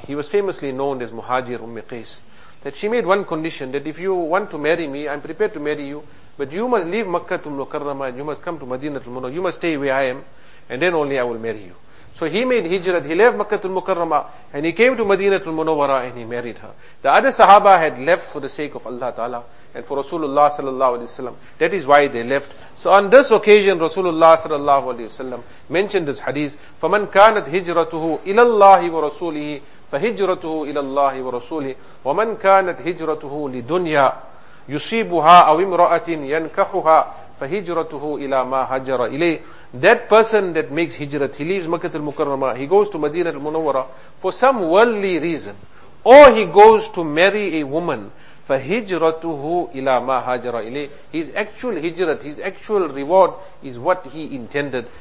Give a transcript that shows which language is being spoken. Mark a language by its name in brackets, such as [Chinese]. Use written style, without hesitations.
[English] He was famously known as Muhajir Umm Qais. That she made one condition, that if you want to marry me, I'm prepared to marry you, but you must leave Makkah al-Mukarramah and you must come to Madinah al-Munawwara. You must stay where I am, and then only I will marry you. So he made hijrat, he left Makkah al-Mukarramah and he came to Madinah al-Munawwara and he married her. The other Sahaba had left for the sake of Allah Ta'ala and for Rasulullah sallallahu alaihi wasallam. That is why they left. So on this occasion, Rasulullah sallallahu alaihi wasallam mentioned this hadith, [Arabic] فَمَنْ كَانَتْ هِجْرَتُهُ إِلَى اللَّهِ وَرَسُولِهِ فَهِجْرَتُهُ إِلَى اللَّهِ وَرَسُولِهِ وَمَنْ كَانَتْ هِجْرَتُهُ لِدُنْيَا يُصِيبُهَا أَوْ امْرَأَةٍ يَنْكَحُهَا فَهِجْرَتُهُ إِلَى مَا هَجَرَ إِلَيْهِ. [English] That person that makes hijrat, he leaves Makkah al-Mukarramah, he goes to Madinah al-Munawwara for some worldly reason, or he goes to marry a woman, [Arabic] فَهِجْرَتُهُ إِلَى مَا هَاجَرَ إِلَيْهِ. [English] His actual hijrat, his actual reward is what he intended.